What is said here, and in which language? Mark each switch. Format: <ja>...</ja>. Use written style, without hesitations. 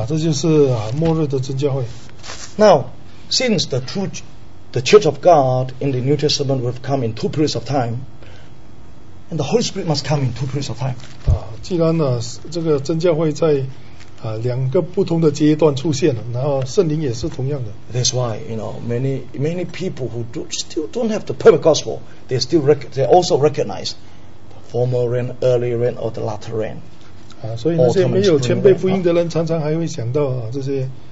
<zh>啊，这就是啊末日的真教会。</zh> <en>Now, since the church of God in the New Testament will come in two periods of time, and the Holy Spirit must come in two periods of time.</en> <zh>啊，既然呢，这个真教会在两个不同的阶段出现了，然后圣灵也是同样的。</zh> <en>That's why you know many people who still don't have the perfect gospel, they also recognize the former rain, early rain, or the latter rain.</en> <zh>啊，所以那些没有谦卑福音的人，常常还会想到啊这些</zh>